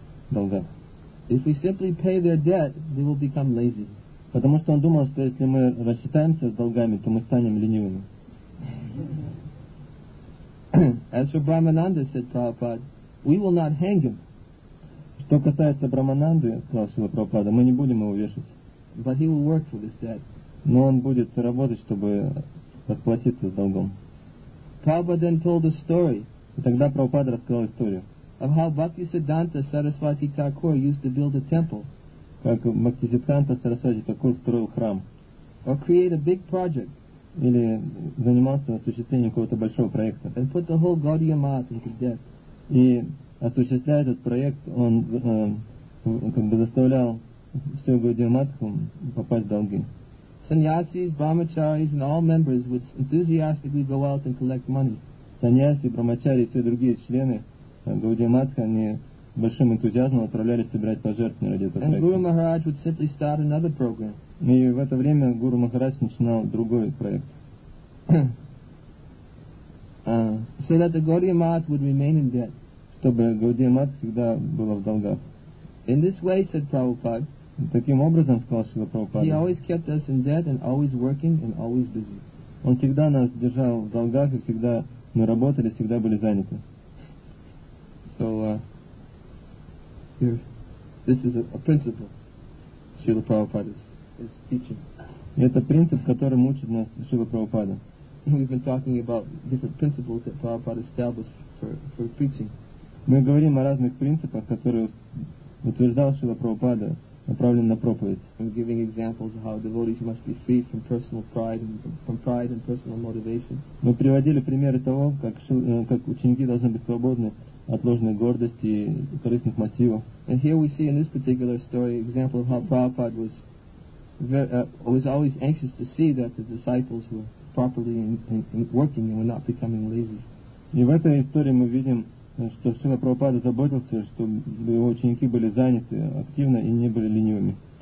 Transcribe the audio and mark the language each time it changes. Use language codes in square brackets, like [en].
[ru] Долга. [en] If we simply pay their debt, they will become lazy. [ru] Потому что он думал, что если мы рассчитаемся с долгами, то мы станем ленивыми. [en] As for Brahmananda, said Prabhupada, we will not hang him. [ru] Что касается Брамананды, сказал Шрила Прабхупада, мы не будем его вешать. [en] But he will work for this debt. [ru] Но он будет работать, чтобы расплатиться с долгом. [en] Prabhupada then told a story. [ru] И тогда Прабхупада рассказал историю. [en] Of how Bhaktisiddhanta Sarasvati Thakur used to build a temple. [ru] Как Бхактисиддханта Сарасвати Такур строил храм. [en] Or create a big project. [ru] Или занимался осуществлением какого-то большого проекта. [en] And put the whole Gaudiya Math into debt. [ru] И осуществляя этот проект, он как бы заставлял всю Гаудия Матху попасть в долги. [en] Саньясис, брамачарис, and all members would enthusiastically go out and collect money. [ru] Саньяси, брамачари и все другие члены Гаудия Матха, они с большим энтузиазмом отправлялись собирать пожертвования ради этого проекта. [en] And Guru Maharaj would simply start another program. [ru] И в это время Гуру Махарадж начинал другой проект. [en] So that the Gaudiya Math would remain in debt. [ru] Чтобы Гаудия Матх всегда была в долгах. [en] In this way, said Prabhupada, [ru] таким образом, сказал Шрила Прабхупада, [en] he always kept us in debt and always working and always busy. [ru] Он всегда нас держал в долгах, и всегда мы работали, всегда были заняты. [en] So, here, this is a principle Шрила Прабхупада is teaching. [ru] И это принцип, которым учит нас Шрила Прабхупада. [en] We've been talking about different principles that Prabhupada established for preaching. [ru] Мы говорим о разных принципах, которые утверждал Шрила Прабхупада, направленные на проповедь. [en] I'm giving examples of how devotees must be free from personal pride and from pride and personal motivation. [ru] Мы приводили примеры того, как ученики должны быть свободны от ложной гордости и корыстных мотивов. [en] And here we see in this particular story example of how Prabhupada was was always anxious to see that the disciples were properly in working and were not becoming lazy. [ru] И в этой истории мы видим, что Шрила Прабхупада заботился, чтобы его ученики были заняты активно и не были ленивыми.